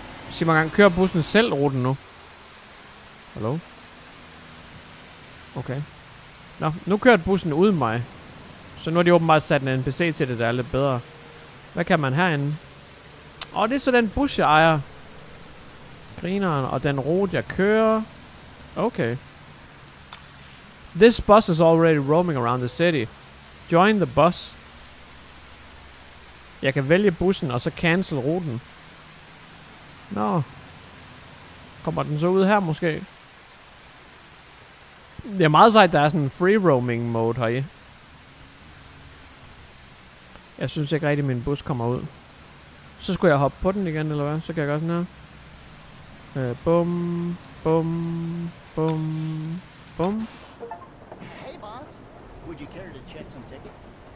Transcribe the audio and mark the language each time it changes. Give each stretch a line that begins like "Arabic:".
Danish: Sig mig engang, kører bussen selv ruten nu? Hallo? Okay. Nå, nu kørte bussen uden mig. Så nu har de åbenbart sat en NPC til det, der er lidt bedre. Hvad kan man herinde? Åh, det er så den bus, jeg ejer. Grineren og den rute, jeg kører. Okay.
English: This bus is already roaming around the city. Join the bus.
Danish: Jeg kan vælge bussen og så cancel ruten. Nå. Kommer den så ud her måske? Det er meget sejt, der er sådan en free roaming mode her i. Jeg synes ikke rigtig, min bus kommer ud. Så skulle jeg hoppe på den igen, eller hvad? Så kan jeg gøre sådan her. Bum, bum, bum, bum.
English: Hey boss, would you care to check some tickets?